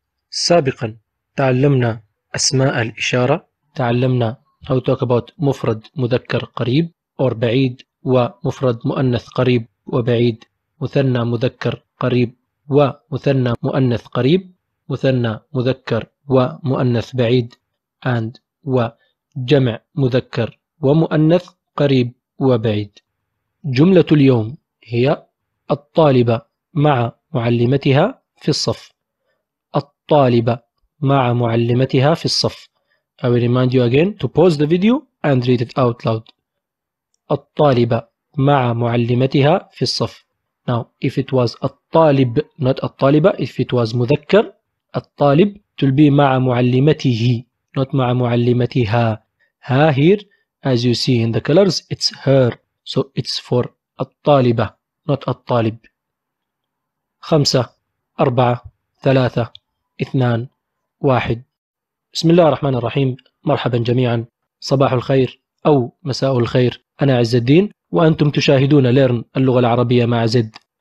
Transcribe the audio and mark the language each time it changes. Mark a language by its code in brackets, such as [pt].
[ar] سابقا تعلمنا أسماء الإشارة، تعلمنا [en] how to talk about [ar] مفرد مذكر قريب or بعيد، ومفرد مؤنث قريب وبعيد، مثنى مذكر قريب ومثنى مؤنث قريب، مثنى مذكر ومؤنث بعيد and وجمع مذكر ومؤنث قريب وبعيد. جملة اليوم هي الطالبة مع معلمتها في الصف. الطالبة مع معلمتها في الصف. [en] I will remind you again to pause the video and read it out loud. [ar] الطالبة مع معلمتها في الصف. [en] Now, if it was الطالب, not الطالبة, if it was مذكر, الطالب will be مع معلمته, not مع معلمتها. Ha, here, as you see in the colors, it's her. So it's for [ar] الطالبة, not الطالب. خمسة, أربعة, ثلاثة, اثنان, واحد. بسم الله الرحمن الرحيم. مرحبا جميعا. صباح الخير أو مساء الخير. أنا عز الدين وأنتم تشاهدون ليرن اللغة العربية مع زد.